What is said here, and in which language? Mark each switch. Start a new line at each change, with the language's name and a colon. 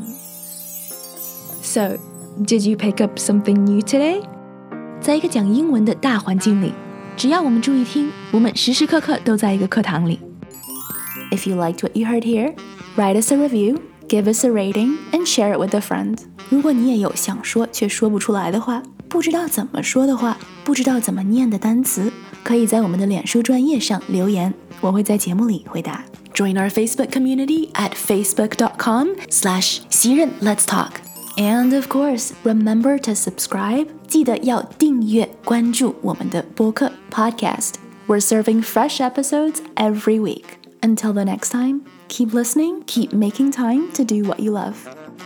English: So, did you pick up something new today?
Chinese: 在一个讲英文的大环境里，只要我们注意听，我们时时刻刻都在一个课堂里。
English: If you liked what you heard here, write us a review, give us a rating, and share it with a friend.
Chinese: 如果你也有想说却说不出来的话，不知道怎么说的话，不知道怎么念的单词，可以在我们的脸书专页上留言，我会在节目里回答。
English: Join our Facebook community at facebook.com/xiren.let's talk. And of course, remember to subscribe.
Chinese: 记得要订阅关注我们的播客
English: podcast. We're serving fresh episodes every week. Until the next time, keep listening, keep making time to do what you love.